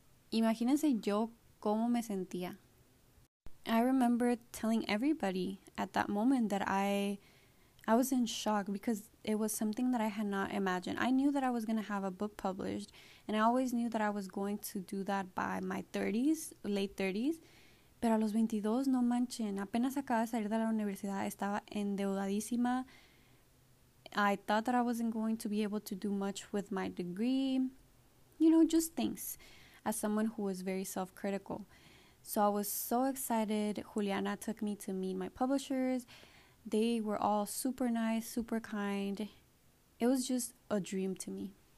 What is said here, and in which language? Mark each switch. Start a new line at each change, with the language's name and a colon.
Spanish: Imagínense yo cómo me sentía.
English: I remember telling everybody at that moment that I was in shock because it was something that I had not imagined. I knew that I was going to have a book published, and I always knew that I was going to do that by my 30s, late 30s.
Spanish: Pero a los 22, no manchen, apenas acababa de salir de la universidad, estaba endeudadísima.
English: I thought that I wasn't going to be able to do much with my degree. You know, just things, as someone who was very self-critical. So I was so excited. Juliana took me to meet my publishers. They were all super nice, super kind. It was just a dream to me.